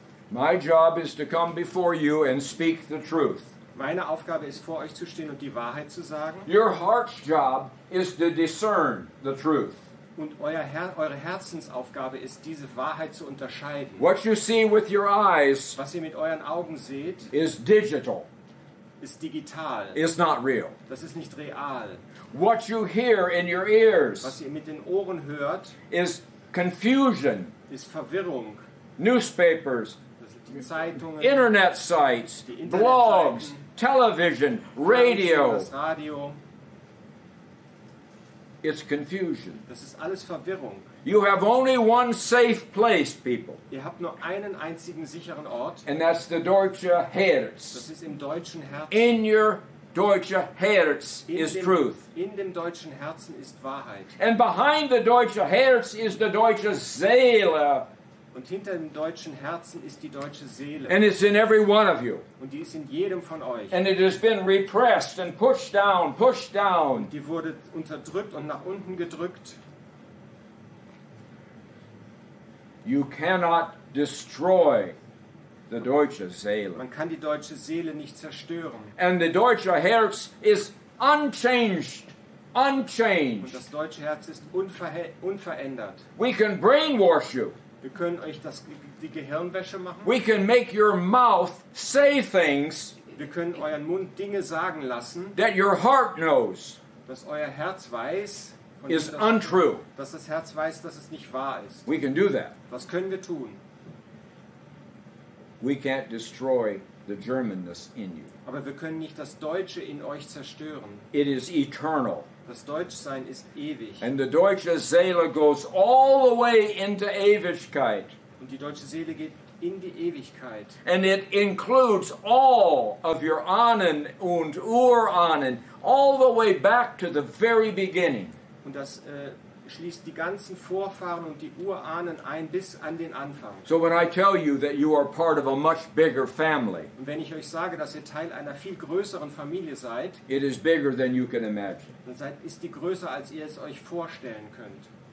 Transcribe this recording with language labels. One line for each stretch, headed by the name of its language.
English: My job is to come before you and speak the truth.
German: Meine Aufgabe ist, vor euch zu stehen und die Wahrheit zu sagen.
English: Your heart's job is to discern the truth.
German: Und eure Herzensaufgabe ist, diese Wahrheit zu unterscheiden.
English: What you see with your eyes,
German: was ihr mit euren Augen seht,
English: ist digital.
German: Ist digital.
English: Ist not real.
German: Das ist nicht real.
English: What you hear in your ears,
German: was ihr mit den Ohren hört,
English: ist confusion.
German: Ist Verwirrung.
English: Newspapers.
German: Zeitungen,
English: Internet sites, blogs, television, radio.
German: Radio.
English: It's confusion.
German: Das ist alles Verwirrung.
English: You have only one safe place, people.
German: Ihr habt nur einen einzigen sicheren Ort.
English: And that's the
German: deutsche Herz. Das ist im deutschen Herz.
English: In your
German: deutsche Herz
English: is truth.
German: In dem deutschen Herzen ist Wahrheit.
English: And behind the
German: deutsche Herz
English: is the
German: deutsche Seele. Und hinter dem deutschen Herzen ist die deutsche Seele.
English: And it's in every one of you.
German: Und die ist in jedem von euch.
English: And it has been repressed and pushed down.
German: Die wurde unterdrückt und nach unten gedrückt.
English: You cannot destroy the
German: deutsche Seele. Man kann die deutsche Seele nicht zerstören.
English: And the
German: deutsche Herz
English: is unchanged. Unchanged.
German: Und das deutsche Herz ist unverändert.
English: We can brainwash you.
German: Wir können euch das, die Gehirnwäsche machen.
English: We can make your mouth say things.
German: Wir können euren Mund Dinge sagen lassen.
English: That your heart knows.
German: Dass euer Herz weiß.
English: Is untrue.
German: Dass das Herz weiß, dass es nicht wahr ist.
English: We can do that.
German: Was können wir tun?
English: We can't destroy the Germanness in you.
German: Aber wir können nicht das Deutsche in euch zerstören.
English: It is eternal.
German: Das Deutschsein ist ewig.
English: And the
German: deutsche Seele
English: goes all the way into Ewigkeit.
German: Und die deutsche Seele geht in die Ewigkeit.
English: And it includes all of your
German: Ahnen und Urahnen,
English: all the way back to the very beginning.
German: Und das schließt die ganzen Vorfahren und die Urahnen ein bis an den Anfang.
English: So when I tell you that you are part of a much bigger family.
German: Und wenn ich euch sage, dass ihr Teil einer viel größeren Familie seid.
English: It is bigger than you can imagine.
German: Dann ist die größer, als ihr es euch vorstellen könnt.